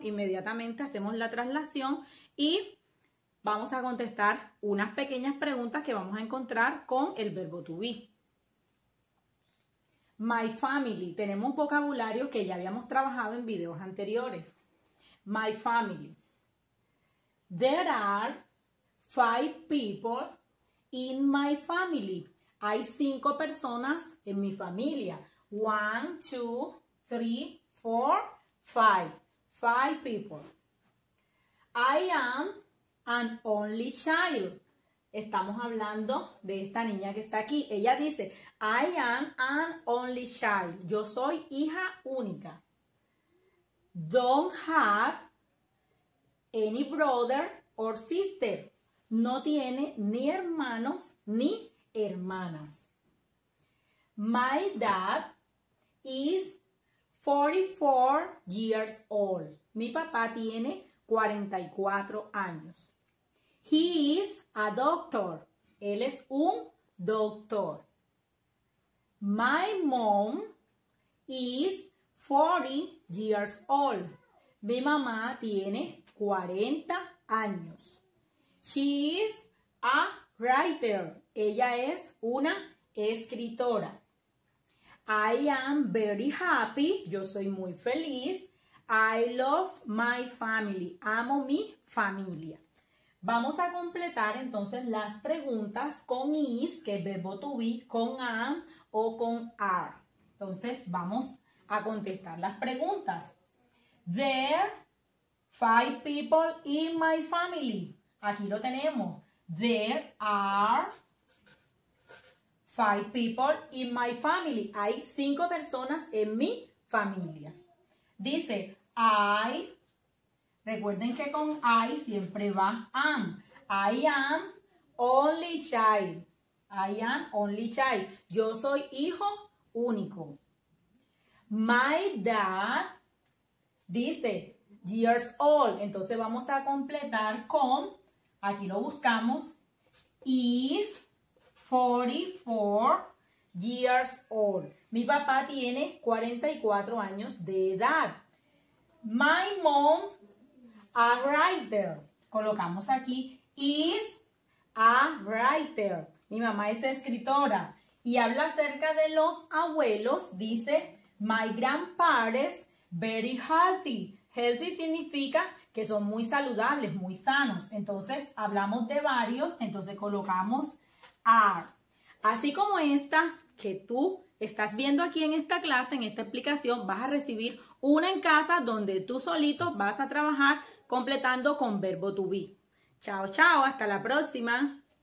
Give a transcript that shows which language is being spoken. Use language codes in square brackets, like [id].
[es] Inmediatamente hacemos la traslación y vamos a contestar unas pequeñas preguntas que vamos a encontrar con el verbo to be. [en] My family. [es] Tenemos vocabulario que ya habíamos trabajado en videos anteriores. [en] My family. There are five people in my family. [es] Hay cinco personas en mi familia. [en] One, two, three, four, five. Five people. I am an only child. [es] Estamos hablando de esta niña que está aquí. Ella dice, [en] I am an only child. [es] Yo soy hija única. [en] Don't have any brother or sister. [es] No tiene ni hermanos ni hermanas. [en] My dad is 44 years old. [es] Mi papá tiene 44 años. [en] He is a doctor. [es] Él es un doctor. [en] My mom is 40 years old. [es] Mi mamá tiene 40 años. [en] She is a writer. [es] Ella es una escritora. [en] I am very happy. [es] Yo soy muy feliz. [en] I love my family. [es] Amo mi familia. Vamos a completar entonces las preguntas con is, que es verbo to be, con am o con are. Entonces vamos a contestar las preguntas. [en] There five people in my family. [es] Aquí lo tenemos. [en] There are five people in my family. [es] Hay cinco personas en mi familia. Dice, I. Recuerden que con I siempre va am. [en] I am only child. I am only child. [es] Yo soy hijo único. [en] My dad [es] dice [en] years old. [es] Entonces vamos a completar con, aquí lo buscamos, [en] is 44 years old. [es] Mi papá tiene 44 años de edad. [en] My mom. A writer. [es] Colocamos aquí [en] is a writer. [es] Mi mamá es escritora y habla acerca de los abuelos. [en] Dice my grandparents very healthy. [es] Healthy significa que son muy saludables, muy sanos. Entonces hablamos de varios. Entonces colocamos are. Así como esta que tú estás viendo aquí en esta clase, en esta explicación, vas a recibir una en casa donde tú solito vas a trabajar completando con verbo to be. Chao, chao, hasta la próxima.